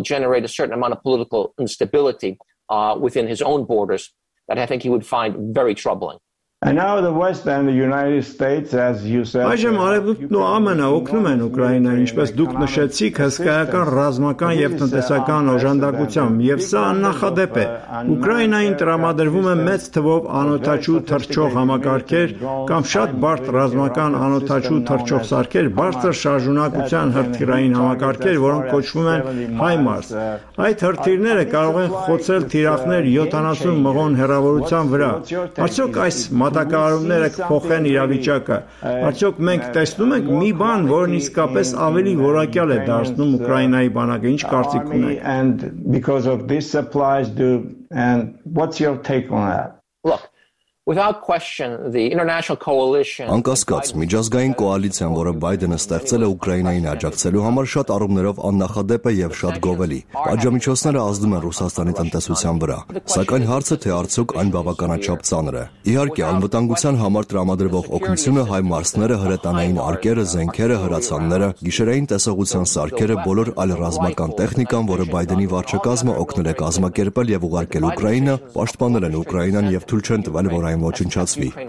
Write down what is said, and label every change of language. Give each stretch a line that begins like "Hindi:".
English: Within his own borders that I think he would find very troubling. And now the West and the United States, as you said,
Armenian: այժմ արևմուտքն ու ԱՄՆ-ը օգնում են Ուկրաինային, ինչպես դուք նշեցիք, հսկայական ռազմական եւ տնտեսական օժանդակությամբ, եւ սա աննախադեպ է։ Ուկրաինային տրամադրվում է մեծ թվով անօթաչու թռչող համակարգեր կամ շատ բարդ ռազմական անօթաչու թռչող սարքեր, բարձր շարժունակության հրթիռային համակարգեր, որոնք կոչվում են HIMARS։ Այդ հրթիռները կարող են խոցել թիրախներ 70 մղոն հեռավորության վրա։ Արդյոք այս մատակարարումները փոխեն իրավիճակը։ Արդյոք մենք տեսնում ենք մի բան, որն իսկապես ավելի որակյալ է դարձնում Ուկրաինայի բանակը, ինչ կարծիք ունեք։
English: And because of these supplies, do and what's your take on that? Look, Without question, the international coalition.
Armenian: Անկասկած միջազգային կոալիցիան, որը Բայդենը ստեղծել է Ուկրաինային աջակցելու համար, շատ առումներով աննախադեպ է եւ շատ գովելի։ Պատժամիջոցները ազդում են Ռուսաստանի տնտեսության վրա, սակայն հարցը թե արդյոք այն բավականաչափ ծանր է։ Իհարկե, անվտանգության համար տրամադրվող օգնությունը հայ մարտները, հրետանային արկերը, զենքերը, հրացանները, գիշերային տեսողության սարքերը, բոլոր այլ ռազմական տեխնիկան, որը Բայդենի վարչակազմը օգնել է կազմակերպել եւ ուղարկել Ուկրաինա, պաշտպանել են Ուկրաինան եւ թույլ չեն տվել որ այն ոչնչացվի։